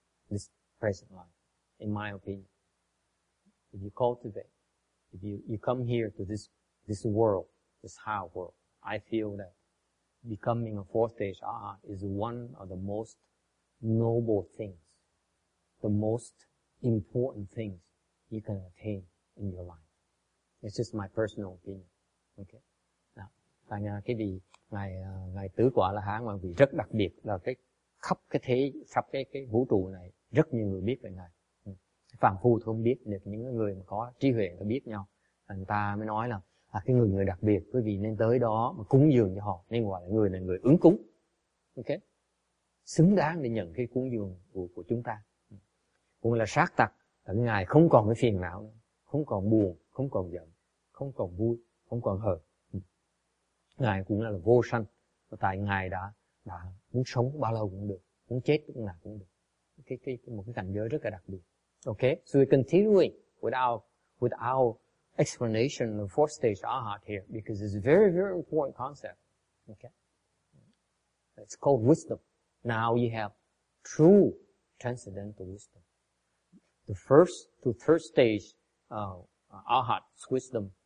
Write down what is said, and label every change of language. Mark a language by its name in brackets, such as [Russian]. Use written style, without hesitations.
[English] This present life, in my opinion. If you cultivate, if you come here to this world, this higher world, I feel that becoming a fourth stage arhat is one of the most noble things. The most important things you can attain in your life. It's just my personal opinion. Okay. [Vietnamese] Now, tại cái vị ngài tứ quả là hán mà vị rất đặc biệt là cái khắp cái thế khắp cái vũ trụ này rất nhiều người biết về ngài. Phàm phu không biết được, những người mà có trí huệ đã biết nhau, người ta mới nói là cái người đặc biệt, quý vị nên tới đó mà cúng dường cho họ, nên gọi là người này người ứng cúng. Okay. Xứng đáng để nhận cái cúng dường của chúng ta. Cũng là sát tặc, là cái ngài không còn cái phiền não nữa, không còn buồn, không còn giận, không còn vui, không còn hờn. Ngài cũng là vô sanh, tại ngài đã muốn sống bao lâu cũng được, muốn chết cũng là cũng được. Cái một cái cảnh giới rất là đặc biệt. [English] Okay, so we continue without explanation of fourth stage arhat here, because it's a very, very important concept. Okay, it's called wisdom. Now you have true transcendental wisdom. The first to third stage, arhat's wisdom